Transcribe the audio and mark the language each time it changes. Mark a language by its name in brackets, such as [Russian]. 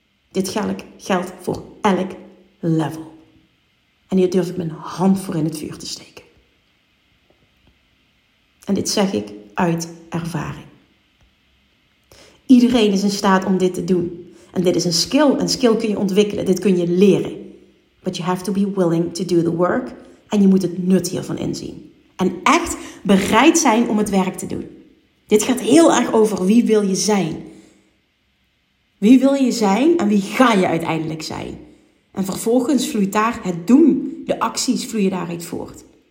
[Dutch] Dit geldt voor elk level. En hier durf ik mijn hand voor in het vuur te steken. En dit zeg ik uit ervaring. Iedereen is in staat om dit te doen. En dit is een skill. En skill kun je ontwikkelen. Dit kun je leren. [English] But you have to be willing to do the work. [Dutch] En je moet het nut hiervan inzien. En echt bereid zijn om het werk te doen. Dit gaat heel erg over wie wil je zijn. Wie wil je zijn en wie ga je uiteindelijk zijn? En vervolgens vloeit daar het doen. De acties vloeien daaruit voort.